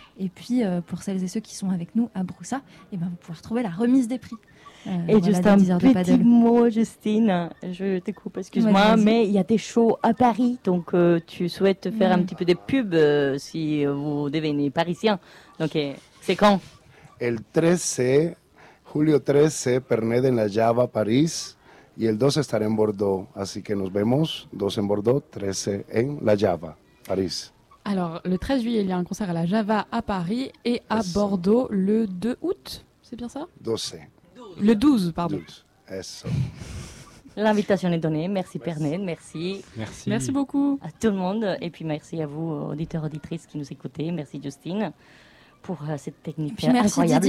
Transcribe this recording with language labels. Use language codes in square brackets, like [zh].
[fr] Et puis pour celles et ceux qui sont avec nous à Broussa, et ben, vous pouvez retrouver la remise des prix. Et juste un petit mot, Justine, je te coupe, excuse-moi, mais il y a des shows à Paris, donc tu souhaites faire un petit peu de pub si vous devenez parisien. Donc c'est quand ? [es] El 13, julio 13, Pernet en la Java, Paris, y el 12 estaré en Bordeaux, así que nos vemos, 12 en Bordeaux, 13 en la Java, Paris. [fr] Alors, le 13 juillet, il y a un concert à la Java à Paris et à Bordeaux le 2 août, c'est bien ça ? 12. Le 12, pardon. 12. L'invitation est donnée. Merci Pernet, merci. Merci. Merci beaucoup. À tout le monde. Et puis merci à vous, auditeurs, auditrices qui nous écoutez. Merci Justine pour cette technique incroyable.